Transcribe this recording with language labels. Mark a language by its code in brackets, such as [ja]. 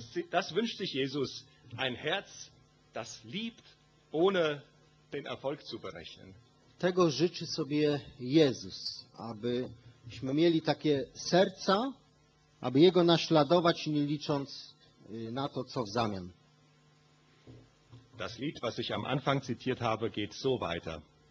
[de] Das wünscht sich Jesus, ein Herz, das liebt, ohne den Erfolg zu berechnen. [pl] Tego życzy sobie Jezus, abyśmy mieli takie serca, aby Jego naśladować, nie licząc na to, co w zamian. [de] Das Lied, was ich am Anfang zitiert habe, geht so weiter.